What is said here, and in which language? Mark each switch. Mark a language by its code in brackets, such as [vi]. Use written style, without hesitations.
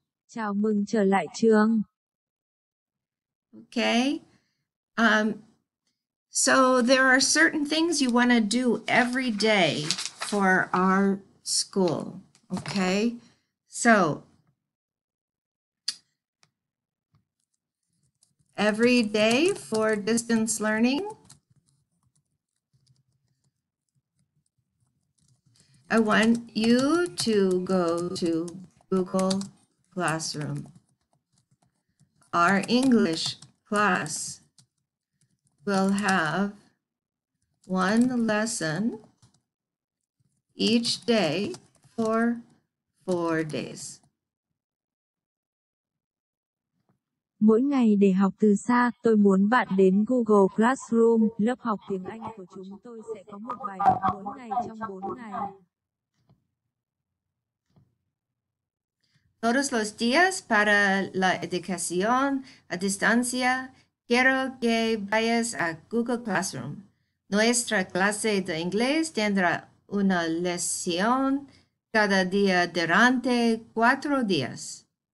[vi] Chào mừng trở lại trường. Okay. [en] So there are certain things you want to do every day for our school, okay? So every day for distance learning, I want you to go to Google Classroom. Our English class will have one lesson each day for 4 days. [vi] Mỗi ngày để học từ xa, tôi muốn bạn đến Google Classroom. Lớp học tiếng Anh của chúng tôi sẽ có một bài học mỗi ngày trong 4 ngày. [es] Todos los días para la educación a distancia, quiero que vayas a Google Classroom. Nuestra clase de inglés tendrá una lección cada día durante 4 días.